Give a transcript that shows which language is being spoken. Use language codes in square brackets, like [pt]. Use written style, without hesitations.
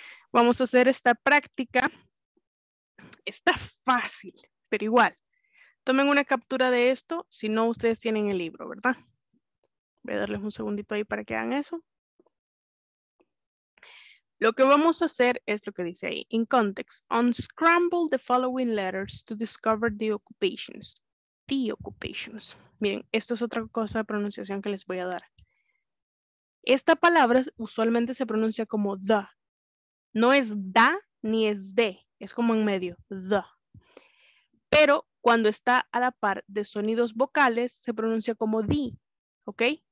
[es] Vamos a hacer esta práctica. Está fácil, pero igual. Tomen una captura de esto, si no, ustedes tienen el libro, ¿verdad? Voy a darles un segundito ahí para que hagan eso. Lo que vamos a hacer es lo que dice ahí. [en] In context, unscramble the following letters to discover the occupations. The occupations. [es] Miren, esto es otra cosa de pronunciación que les voy a dar. Esta palabra usualmente se pronuncia como the. No es da ni es de. Es como en medio, the. Pero cuando está a la par de sonidos vocales, se pronuncia como di, ¿ok?